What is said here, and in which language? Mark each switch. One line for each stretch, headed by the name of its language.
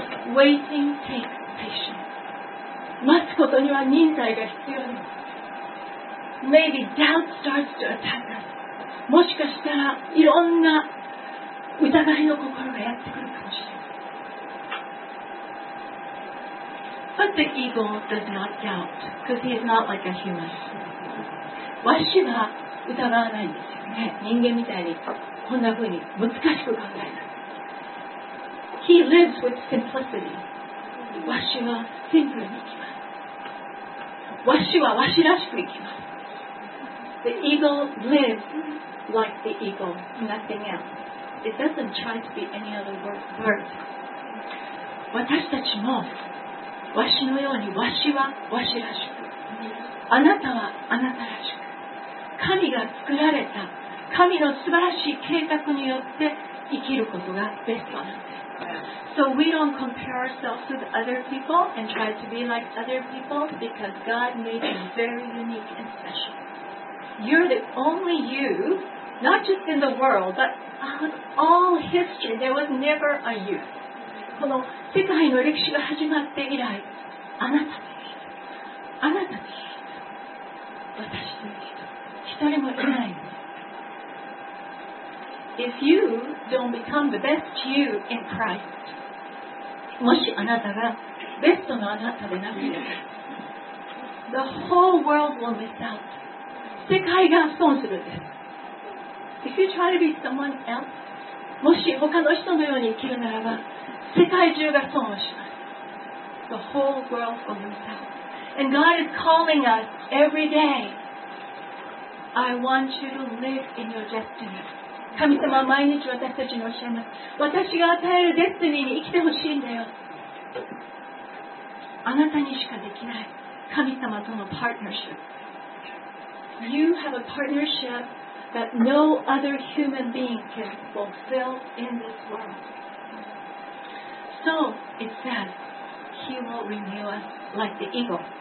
English: Waiting takes patience.
Japanese: 待つことには忍耐が必要です。
English: Maybe doubt starts to attack us.
Japanese: もしかしたらいろんな疑いの心がやってくるかもしれません。
English: But the eagle does not doubt, because he is not like a human.
Japanese: わしは疑わないんですよね。人間みたいにこんな風に難しく考えない。
English: He lives with simplicity.
Japanese: わしはシンプルに生きます。わしはわしらしく生きます。
English: The eagle lives like the eagle, nothing else. It doesn't try to be any other bird.
Japanese: 私たちも、わしのように、わしはわしらしく。あなたはあなたらしく。神が作られた、神の素晴らしい計画によって生きることがベストなんです。
English: So we don't compare ourselves with other people and try to be like other people because God made us very unique and special. You're the only you, not just in the world, but on all history, there was never a you.
Japanese: この世界の歴史が始まって以来、あなたという人、あなたという人、私という人、一人もいない。
English: If you don't become the best you in Christ,
Japanese: もしあなたがベストのあなたでなければ、
English: the whole world will miss out.
Japanese: 世界が損するんです。
English: If you try to be someone else,
Japanese: もし他の人のように生きるならば、世界中が損をします。
English: The whole world will miss out. And God is calling us every day. I want you to live in your destiny.
Japanese: 神様は毎日私たちに教えます。私が与えるデスティニーに生きてほしいんだよ。あなたにしかできない神様とのパートナーシップ。
English: You have a partnership that no other human being can fulfill in this world. So, it says, He will renew us like the eagle.